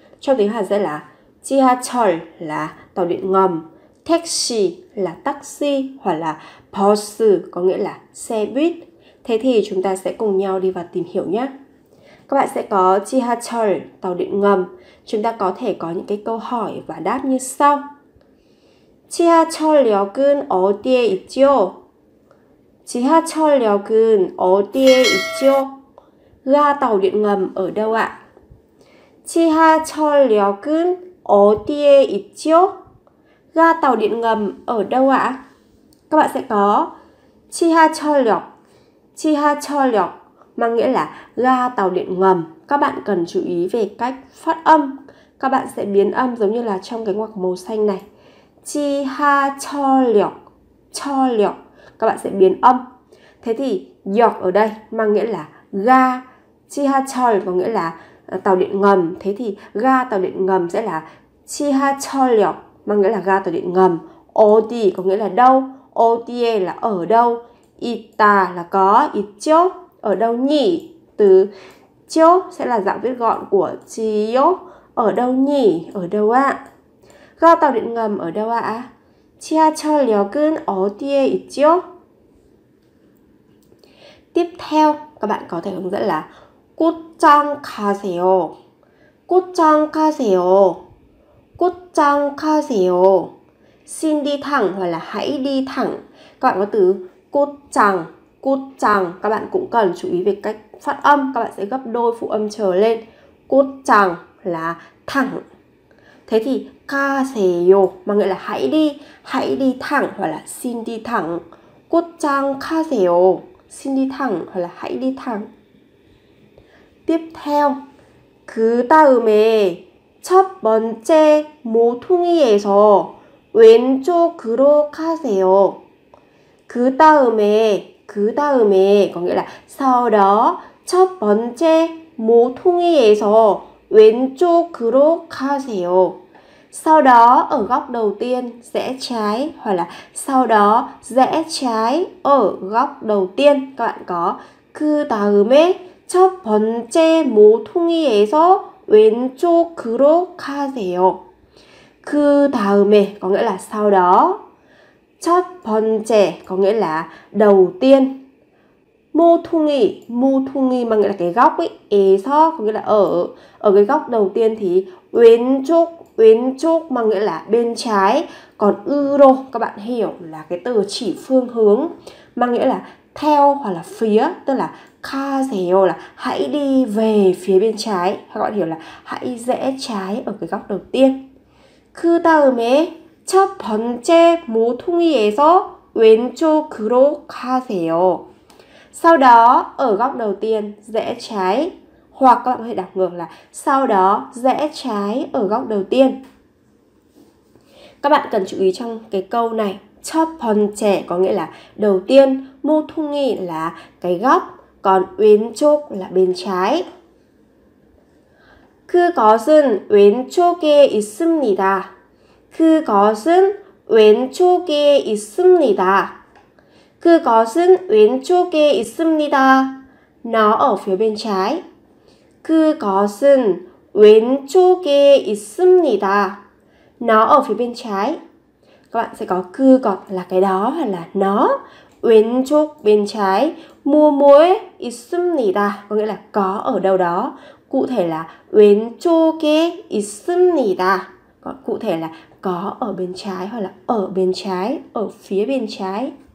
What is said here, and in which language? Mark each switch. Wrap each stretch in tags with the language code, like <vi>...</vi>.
<vi>Trong tiếng Hàn sẽ là 지하철 là tàu điện ngầm, taxi là taxi hoặc là 버스 có nghĩa là xe buýt. Thế thì chúng ta sẽ cùng nhau đi vào tìm hiểu nhé. Các bạn sẽ có 지하철, tàu điện ngầm. Chúng ta có thể có những cái câu hỏi và đáp như sau.</vi> <ko>지하철역은 어디에 있죠? 지하철역은 어디에 있죠?</ko> <vi>Ga tàu điện ngầm ở đâu ạ?</vi> <ko>지하철역은 어디에 있죠?</ko> <vi>Ga tàu điện ngầm ở đâu ạ? Các bạn sẽ có 지하철역. 지하철역 mang nghĩa là ga tàu điện ngầm. Các bạn cần chú ý về cách phát âm. Các bạn sẽ biến âm giống như là trong cái ngoặc màu xanh này. 지하철역, 철역. Các bạn sẽ biến âm. Thế thì 역 ở đây mang nghĩa là ga. 지하철 có nghĩa là tàu điện ngầm. Thế thì ga tàu điện ngầm sẽ là 지하철역 mang nghĩa là ga tàu điện ngầm. 어디 có nghĩa là đâu. 어디에 là ở đâu. 있다 là có, 있죠 ở đâu nhỉ. Từ 죠 sẽ là dạng viết gọn của 지요 ở đâu nhỉ, ở đâu ạ. Ga tàu điện ngầm ở đâu ạ?</vi> <ko>지하철역은 어디에 있죠?</ko> <vi>Tiếp theo các bạn có thể hướng dẫn là</vi> <ko>꽃장 가세요. 꽃장 가세요. 꽃장 가세요.</ko> <vi>Xin đi thẳng hoặc là hãy đi thẳng. Các bạn có từ 꽃장, 꽃장. Các bạn cũng cần chú ý về cách phát âm. Các bạn sẽ gấp đôi phụ âm trở lên. 꽃장 là thẳng. Thế thì 가세요 mà nghĩa là hãy đi. Hãy đi thẳng hoặc là xin đi thẳng.</vi> <ko>꽃장 가세요.</ko> <vi>Xin đi thẳng hoặc là hãy đi thẳng. Tiếp theo</vi> <ko>그 다음에 첫 번째 모퉁이에서 왼쪽으로 가세요. 그 다음에, 그 다음에</ko> <vi>có nghĩa là sau đó</vi> <ko>첫 번째 모퉁이에서 왼쪽으로 가세요.</ko> <vi>Sau đó ở góc đầu tiên rẽ trái hoặc là sau đó rẽ trái ở góc đầu tiên. Các bạn có</vi> <ko>그 다음에 첫 번째 모퉁이에서 왼쪽으로 가세요.</ko> <vi>그 다음에 có nghĩa là sau đó. 첫 번째 có nghĩa là đầu tiên. 모퉁이, 모퉁이 mà nghĩa là cái góc ấy. 에서 có nghĩa là ở. Ở cái góc đầu tiên thì 왼쪽, 왼쪽 mà nghĩa là bên trái. Còn 으로 các bạn hiểu là cái từ chỉ phương hướng mà nghĩa là theo hoặc là phía, tức là 가세요 là hãy đi về phía bên trái. Các bạn hiểu là hãy rẽ trái ở cái góc đầu tiên.</vi> <ko>그 다음에 첫 번째 모퉁이에서 왼쪽으로 가세요.</ko> <vi>Sau đó ở góc đầu tiên rẽ trái, hoặc các bạn có thể đọc ngược là sau đó rẽ trái ở góc đầu tiên. Các bạn cần chú ý trong cái câu này, 첫 번째 có nghĩa là đầu tiên, 모퉁이 là cái góc, còn 왼쪽 là bên trái.</vi> <ko>그것은 왼쪽에 있습니다. 그것은 왼쪽에 있습니다. 그것은 왼쪽에 있습니다.</ko> <vi>Nó ở phía bên trái.</vi> <ko>그것은 왼쪽에 있습니다.</ko> <vi>Nó ở phía bên trái. Các bạn sẽ có 그것 là cái đó hoặc là nó. 왼쪽 bên trái.</vi> <ko>뭐뭐에 있습니다</ko> <vi>có nghĩa là có ở đâu đó. Cụ thể là 왼쪽에 있습니다. Cụ thể là có ở bên trái hoặc là ở bên trái, ở phía bên trái.</vi>